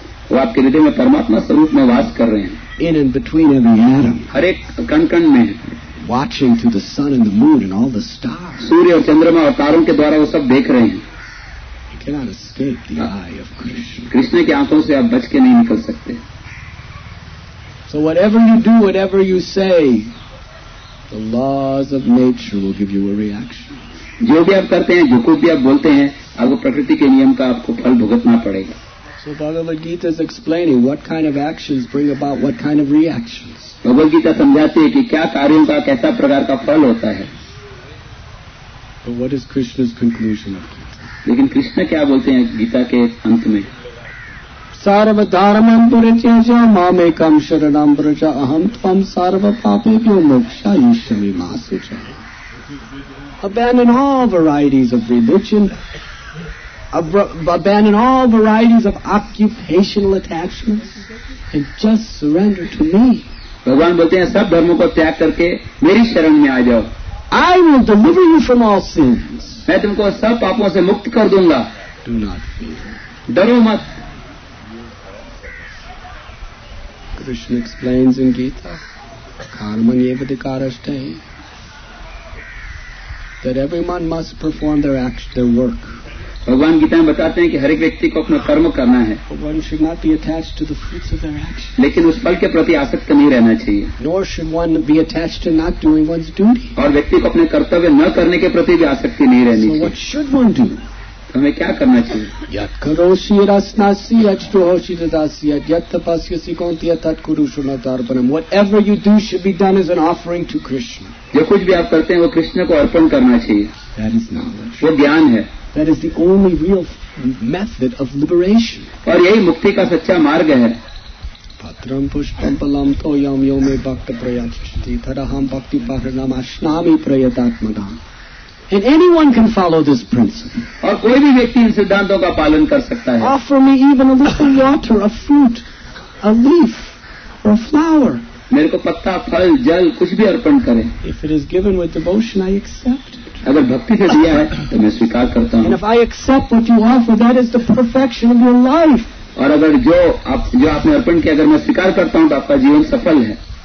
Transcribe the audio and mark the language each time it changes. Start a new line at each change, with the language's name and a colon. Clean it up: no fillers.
Hindi: वो आपके हृदय में परमात्मा स्वरूप में वास कर रहे हैं
English: in and between every atom
Hindi: हर एक कण कण में
English: watching through the sun and the moon and all the stars
Hindi: सूर्य और चंद्रमा और तारों के द्वारा वो सब देख रहे हैं
English: you can not escape the eye of Krishna
Hindi: Krishna की आंखों से आप बच के नहीं निकल सकते
English: So whatever you do, whatever you say, the laws of nature will give you a reaction.
Hindi: जो भी आप करते हैं, जो कुछ भी आप बोलते हैं, आपको प्रकृति के नियम का आपको फल भुगतना पड़ेगा.
English: So Bhagavad Gita is explaining what kind of actions bring about what kind of reactions.
Hindi: Bhagavad Gita समझाती है कि क्या कार्यों का कैसा प्रकार का फल होता है.
English: But what is Krishna's conclusion of Gita?
Hindi: लेकिन कृष्ण क्या बोलते हैं गीता के अंत में?
Sanskrit: सर्वधर्म परिचय मामेक शरण व्रज अहम तम सर्व पापे मोक्षाई मास
English: Abandon all varieties of religion. Abandon all varieties of occupational attachments and just surrender to me.
Hindi: भगवान बोलते हैं सब धर्मों को त्याग करके मेरी शरण में आ जाओ
English: I will deliver you from all sins.
Hindi: मैं तुमको सब पापों से मुक्त कर दूंगा
English: Do not fear.
Hindi: डरो मत
English: Krishna explains in Gita,
Sanskrit: karma nevadikarashtai,
English: that everyone must perform their action, their work.
Hindi: भगवान गीता में बताते हैं कि हर एक व्यक्ति को अपना कर्म करना है
English: one should not be attached to the fruits of their actions.
Hindi: लेकिन उस फल के प्रति आसक्त नहीं रहना चाहिए
English: Nor should one be attached to not doing one's duty.
Hindi: और व्यक्ति को अपने कर्तव्य न करने के प्रति भी आसक्ति नहीं रहनी चाहिए
English: So what should one do?
Hindi: हमें क्या करना चाहिए
Sanskrit: यत् करोषि रसनासि यच्छ्रोषि ददासि यत्तपस्यसि कौन्तेय तत् कुरु शरणार्पणम्
English: whatever you do should be done is an offering to Krishna
Hindi: जो कुछ भी आप करते हैं वो कृष्ण को अर्पण करना चाहिए
English: that is knowledge
Hindi: वो ज्ञान है
English: that is the only real method of liberation
Hindi: और यही मुक्ति का सच्चा मार्ग है
Sanskrit: पत्रम पुष्पम पलम तो यम यो मे भक्त प्रयच्छति तदहं भक्ति पाहृणम् अश्नामि प्रयतात्मना
English: And anyone can follow this principle.
Hindi: और कोई भी व्यक्ति इन सिद्धांतों का पालन कर सकता है.
English: Offer me even a little water, a fruit, a leaf, or a flower.
Hindi: मेरे को पत्ता, फल, जल, कुछ भी अर्पण करें.
English: If it is given with devotion, I accept it.
Hindi: अगर भक्ति से दिया है, तो मैं स्वीकार करता हूँ.
English: And if I accept what you offer, that is the perfection of your life.
Hindi: और अगर जो आपने अर्पण किया, अगर मैं स्वीकार करता हूँ, तो आपका जीवन सफल है.